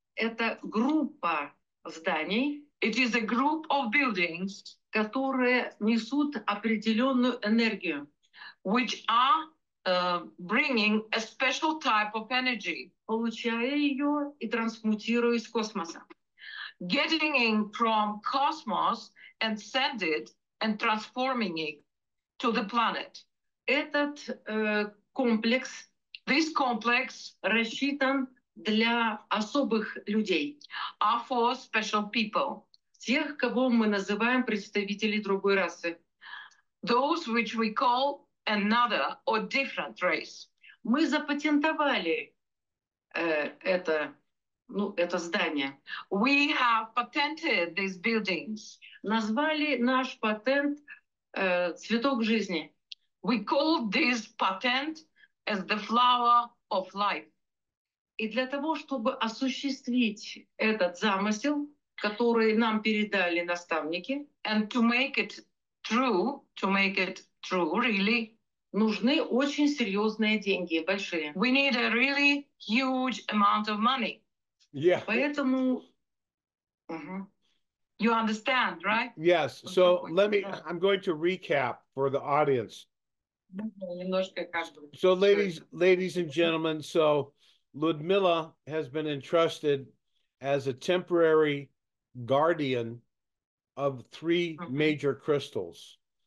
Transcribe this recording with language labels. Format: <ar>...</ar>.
<ru>Это группа зданий.</ru> <en>It is a group of buildings,</en> <ru>которые несут определенную энергию.</ru> <en>Which are bringing a special type of energy.</en> <ru>Получая ее и трансмутируя из космоса.</ru> <en>Getting in from cosmos and send it and transforming it to the planet.</en> <ru>Этот комплекс,</ru> <en>this complex</en> <ru>рассчитан для особых людей.</ru> <en>Are for special people.</en> <ru>Тех, кого мы называем представители другой расы.</ru> <en>Those which we call another or different race.</en> <ru>Мы запатентовали это, ну, это здание.</ru> <en>We have patented these buildings.</en> <ru>Назвали наш патент цветок жизни.</ru> <en>We call this patent as the flower of life.</en> <ru>И для того, чтобы осуществить этот замысел, который нам передали наставники,</ru> <en>and to make it true, really,</en> <ru>нужны очень серьезные деньги, большие.</ru> <en>We need a really huge amount of money. Yeah.</en> <ru>Поэтому,</ru> <en>you understand, right? Yes. So I'm going to recap for the audience. So ladies and gentlemen, so Ludmila has been entrusted as a temporary guardian of three major crystals.</en>